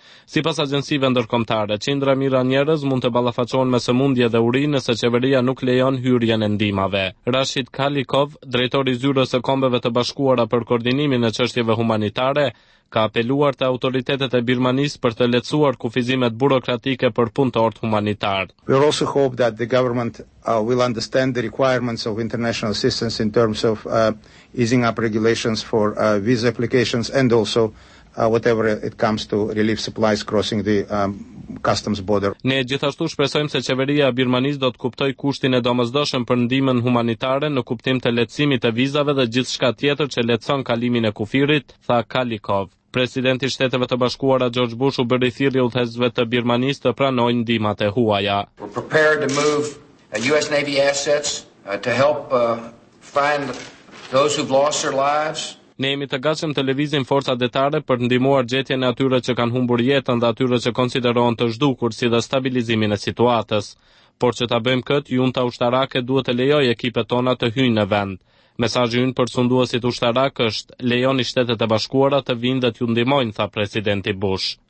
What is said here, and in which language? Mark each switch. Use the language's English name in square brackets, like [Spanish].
[Albanian] Si pas agjensive ndërkombëtare, qindra mijëra njerëz mund të balafaqohen me sëmundje dhe uri nëse qeveria nuk lejon hyrjen e ndihmave. Rashid Kalikov, drejtori zyrës së Kombeve të Bashkuara për koordinimin e çështjeve humanitare, ka apeluar te autoritetet e Birmanisë për të lehtësuar kufizimet burokratike për punëtorët humanitar. [English] We also hope that the government will understand the requirements of international assistance in terms of easing up regulations for visa applications and also whatever it comes to relief supplies crossing the customs border. [Albanian] Ne gjithashtu shpresojmë se qeveria e Birmanisë do të kuptojë kushtin e domosdoshëm për ndihmën humanitare në kuptim të lehtësimit të vizave dhe gjithçka tjetër që lehtëson kalimin e kufirit, tha Kalikov. Presidenti i Shteteve të Bashkuara George Bush u bëri thirrje udhëzve të Birmanisë të pranojnë ndihmat e huaja. [English] We're prepared to move US Navy assets to help find those who've lost their lives. [Albanian] Ne jemi të gatshëm të lëvizim forca detare për të ndihmuar gjetjen e atyre që kanë humbur jetën dhe atyre që konsiderohen të zhdukur, si dhe stabilizimin e situatës. Por që ta bëjmë këtë, junta ushtarake duhet të lejojë ekipet tona të hyjnë në vend. Mesazhi ynë për sunduesit ushtarak është: lejoni Shtetet e Bashkuara të vinë dhe t'ju ndihmojnë, tha presidenti Bush.